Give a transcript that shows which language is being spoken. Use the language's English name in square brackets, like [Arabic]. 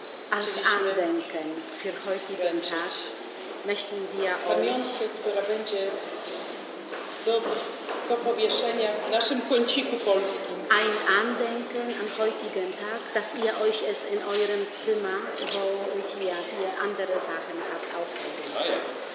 [German] Als Andenken für heutigen Tag möchten wir euch [Polish] pamiątkę, która będzie do powieszenia w naszym kąciku polskim. [German] Ein Andenken am heutigen Tag, dass ihr euch es in eurem Zimmer, wo ihr andere Sachen habt, aufhängen könnt.